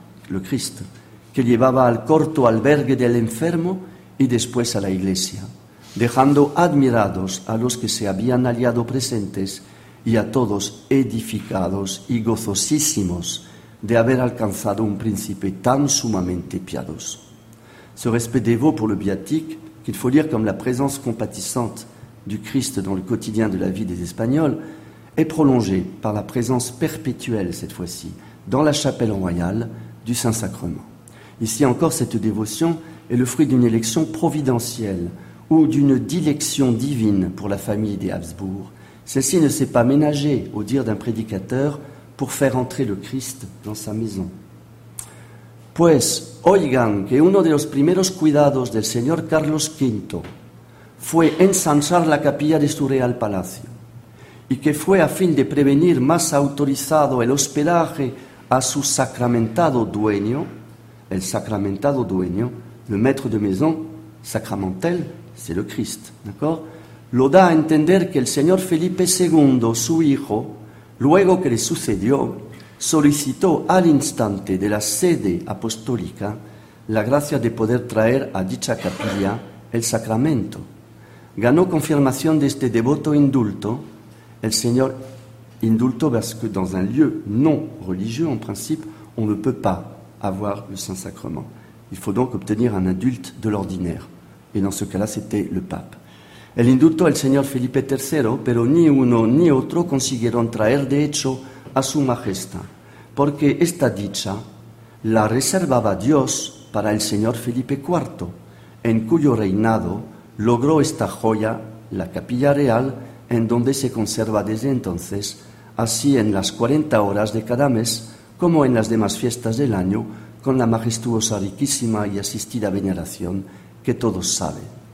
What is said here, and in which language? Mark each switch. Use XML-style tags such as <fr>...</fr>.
<es>le Christ, que llevaba al corto albergue del enfermo y después a la iglesia, dejando admirados a los que se habían hallado presentes y a todos edificados y gozosísimos de haber alcanzado un príncipe tan sumamente piadoso.</es> <fr>ce respect dévot pour le biatique, qu'il faut lire comme la présence compatissante du Christ dans le quotidien de la vie des Espagnols, est prolongée par la présence perpétuelle, cette fois-ci, dans la chapelle royale du Saint-Sacrement. Ici encore, cette dévotion est le fruit d'une élection providentielle ou d'une dilection divine pour la famille des Habsbourg. Celle-ci ne s'est pas ménagée, au dire d'un prédicateur, pour faire entrer le Christ dans sa maison.</fr> <es>Pues, oigan que uno de los primeros cuidados del señor Carlos V fue ensanchar la capilla de su real palacio y que fue a fin de prevenir más autorizado el hospedaje a su sacramentado dueño, el sacramentado dueño,</es> <fr>le maître de maison, sacramentel, c'est le Christ, d'accord?</fr> <es>Lo da a entender que el señor Felipe II, su hijo, luego que le sucedió, solicitó al instante de la sede apostólica la gracia de poder traer a dicha capilla el sacramento. Ganó confirmación de este devoto indulto, el señor indulto,</es> <fr>parce que dans un lieu non religieux, en principe, on ne peut pas avoir le Saint-Sacrement. Il faut donc obtenir un adulte de l'ordinaire. Et dans ce cas-là, c'était le pape.</fr> <es>El indulto el señor Felipe III, pero ni uno ni otro consiguieron traer de hecho a su majestad, porque esta dicha la reservaba Dios para el señor Felipe IV, en cuyo reinado logró esta joya, la capilla real, en donde se conserva desde entonces, así en las 40 horas de cada mes, como en las demás fiestas del año, con la majestuosa, riquísima y asistida veneración que todos saben.</es>